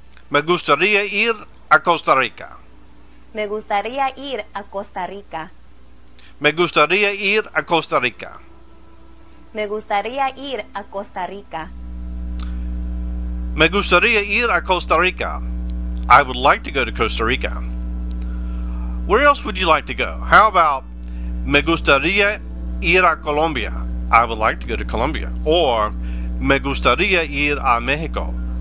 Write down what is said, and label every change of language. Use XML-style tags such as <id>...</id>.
<es>Me gustaría ir a Costa Rica. Me gustaría ir a Costa Rica. Me gustaría ir a Costa Rica. Me gustaría ir a Costa Rica. Me gustaría ir a Costa Rica.</es> <en>I would like to go to Costa Rica. Where else would you like to go? How about</en> <es>me gustaría ir a Colombia?</es> <en>I would like to go to Colombia. Or</en> <es>me gustaría ir a Mexico.</es>